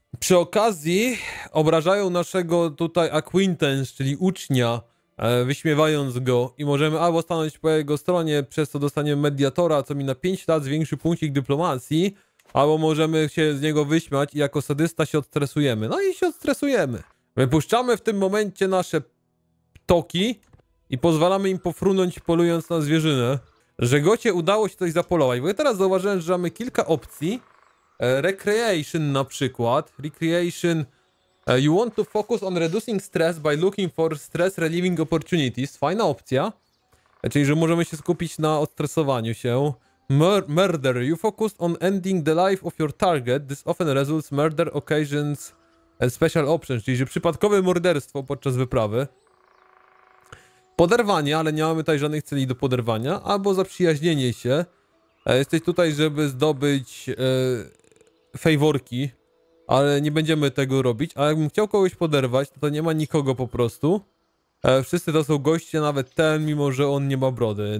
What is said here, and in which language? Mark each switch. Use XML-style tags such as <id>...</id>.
<pl>Przy okazji obrażają naszego tutaj acquaintance, czyli ucznia, wyśmiewając go i możemy albo stanąć po jego stronie, przez co dostaniemy mediatora, co mi na 5 lat zwiększy punkcik dyplomacji, albo możemy się z niego wyśmiać i jako sadysta się odstresujemy. No i się odstresujemy. Wypuszczamy w tym momencie nasze ptoki i pozwalamy im pofrunąć, polując na zwierzynę. Żegocie udało się coś zapolować, bo ja teraz zauważyłem, że mamy kilka opcji. Recreation na przykład.</pl> <en>Recreation... You want to focus on reducing stress by looking for stress-relieving opportunities.</en> <pl>Fajna opcja. Czyli, że możemy się skupić na odstresowaniu się.</pl> <en>Murder. You focused on ending the life of your target. This often results murder occasions and special options.</en> <pl>Czyli, że przypadkowe morderstwo podczas wyprawy. Poderwanie, ale nie mamy tutaj żadnych celi do poderwania. Albo zaprzyjaźnienie się. Jesteś tutaj, żeby zdobyć fejworki, ale nie będziemy tego robić. A jakbym chciał kogoś poderwać, to nie ma nikogo po prostu. Wszyscy to są goście, nawet ten, mimo że on nie ma brody.</pl>